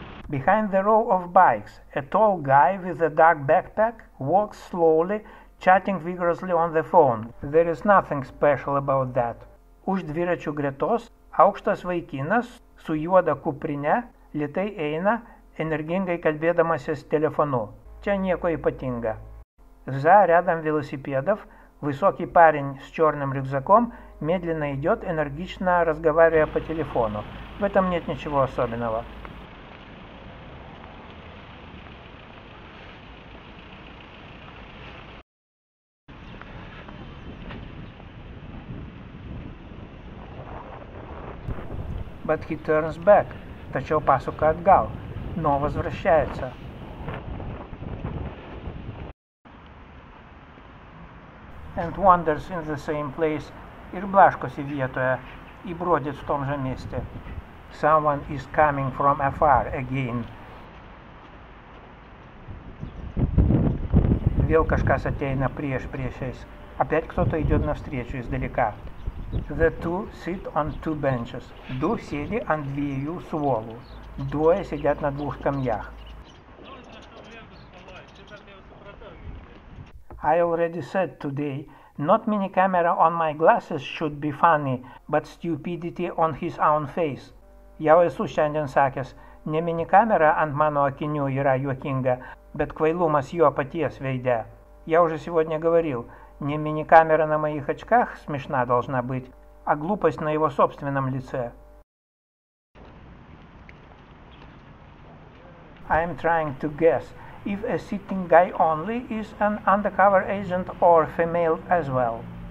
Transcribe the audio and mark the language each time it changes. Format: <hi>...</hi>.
<en>Behind the row of bikes, a tall guy with a dark backpack walks slowly, chatting vigorously on the phone. There is nothing special about that.</en> <lt>Už dviračių gretos, aukštas vaikinas su juoda kuprine lėtai eina, energingai kalbėdamasis telefonu. Čia nieko ypatinga.</lt> <ru>За рядом велосипедов, высокий парень с черным рюкзаком медленно идет, энергично разговаривая по телефону. В этом нет ничего особенного.</ru> <en>But he turns back.</en> <lt>Tačiau pasuka atgal.</lt> <ru>Но возвращается.</ru> <en>And wanders in the same place.</en> <lt>Ir blaškosi vietoje.</lt> <ru>И бродит в том же месте.</ru> <en>Someone is coming from afar again.</en> <lt>Vėl kažkas ateina priešais.</lt> <ru>Опять кто-то идет навстречу издалека.</ru> <en>The two sit on two benches.</en> <lt>Du sėdi ant dviejų suolų. Duoja sėdėt na dvūs kamjach.</lt> <en>I already said today, not mini camera on my glasses should be funny, but stupidity on his own face.</en> <lt>Jau esu šiandien sakęs, ne mini kamera ant mano akinių yra juokinga, bet kvailumas jo paties veide.</lt> <ru>Jau уже сегодня говорил, не мини-камера на моих очках смешна должна быть, а глупость на его собственном лице.</ru> <en>I am trying to guess if a sitting guy only is an undercover agent or female as well.</en>